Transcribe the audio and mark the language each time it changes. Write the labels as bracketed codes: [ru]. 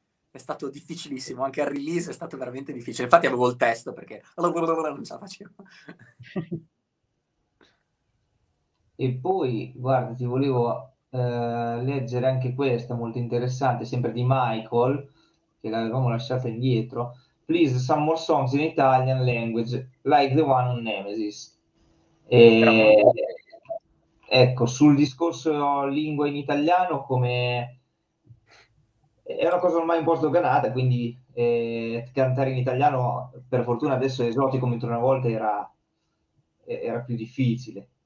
[it] È stato difficilissimo, anche al release è stato veramente difficile. Infatti avevo il testo perché non ce la facevo. E poi, guarda, ti volevo leggere anche questa molto interessante, sempre di Michael, che l'avevamo lasciata indietro. [en] Please, some more songs in Italian language, like the one on Nemesis. [it] E, ecco, sul discorso lingua in italiano, come è una cosa ormai un po' sdoganata, quindi cantare in italiano, per fortuna adesso è esotico, mentre una volta era più difficile.